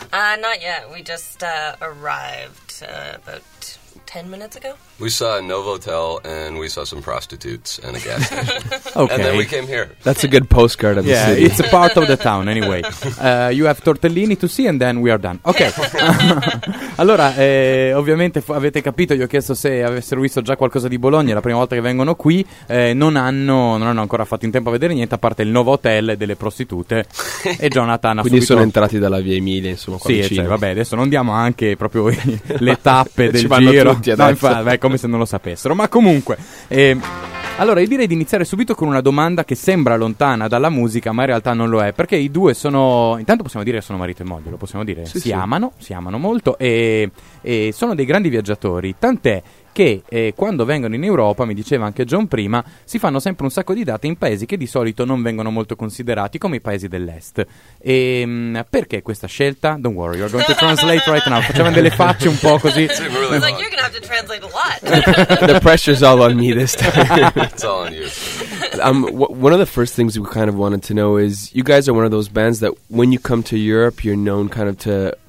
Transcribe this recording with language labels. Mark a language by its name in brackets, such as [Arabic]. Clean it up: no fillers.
[English] Not yet. We just arrived about 10 minutes ago. We saw a Novotel, and we saw some prostitutes and a gas station. Okay. And then we came here. That's a good postcard of yeah, the city. It's a part of the town, anyway. You have tortellini to see, and then we are done. Okay. [Italian] Allora, ovviamente avete capito, gli ho chiesto se avessero visto già qualcosa di Bologna, è la prima volta che vengono qui, non hanno ancora fatto in tempo a vedere niente, a parte il nuovo hotel delle prostitute e Jonathan. Quindi subito... sono entrati dalla via Emilia, insomma, qua sì, vicino. Sì, vabbè, adesso non diamo anche proprio le tappe del giro. Ci vanno tutti adesso. No, infatti, è come se non lo sapessero, ma comunque... Allora, io direi di iniziare subito con una domanda che sembra lontana dalla musica, ma in realtà non lo è, perché i due sono... Intanto possiamo dire che sono marito e moglie, lo possiamo dire. Sì, si amano molto e sono dei grandi viaggiatori, tant'è che quando vengono in Europa, mi diceva anche John prima, si fanno sempre un sacco di date in paesi che di solito non vengono molto considerati come i paesi dell'est. E perché questa scelta? [English] Don't worry, you're going to translate right now. [Italian] Facciamo delle facce un po' così. [English] It's like, you're gonna have to translate a lot. The pressure's all on me this time. It's all on you. One of the first things we kind of wanted to know is, you guys are one of those bands that when you come to Europe, you're known kind of to...